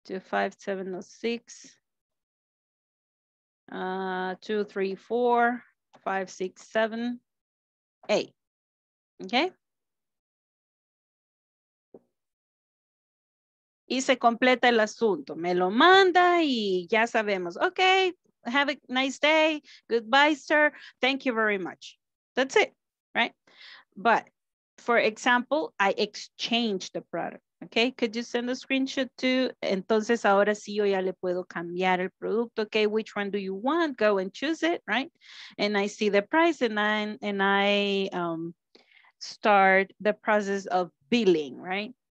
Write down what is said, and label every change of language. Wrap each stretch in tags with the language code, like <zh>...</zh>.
<es>25706, 234567A, okay? Y se completa el asunto, me lo manda y ya sabemos, okay.</es> <en>Have a nice day. Goodbye, sir. Thank you very much. That's it, right? But for example, I exchanged the product, okay? Could you send a screenshot to?</en> <es>Entonces ahora sí yo ya le puedo cambiar el producto, okay?</es> <en>Which one do you want? Go and choose it, right? And I see the price and I start the process of billing, right?</en>